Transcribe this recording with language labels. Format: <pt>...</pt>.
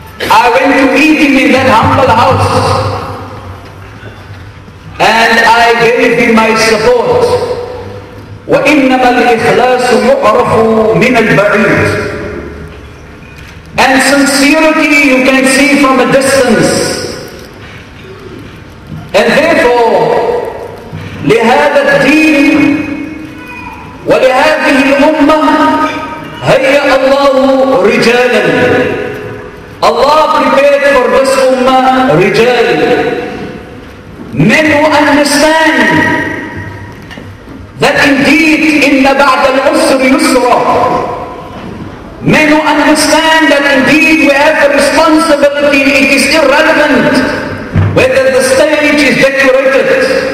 <en>I went to meet him in that humble house and I gave him my support.</en> <ar>وَإِنَّمَا الْإِخْلَاسُ يُعْرَفُ مِنَ الْبَعِيدِ.</ar> <en>And sincerity you can see from a distance. And therefore,</en> <ar>لهذا الدين ولهذه الأمة هيأ الله رجالا.</ar> <en>Allah prepared for this ummah</en> <ar>رجال.</ar> <en>Men who understand that indeed</en> <ar>إِنَّ بَعْدَ الْعُسْرِ يُسْرًا.</ar> <en>Men who understand that indeed we have the responsibility, it is irrelevant whether the stage is decorated.</en>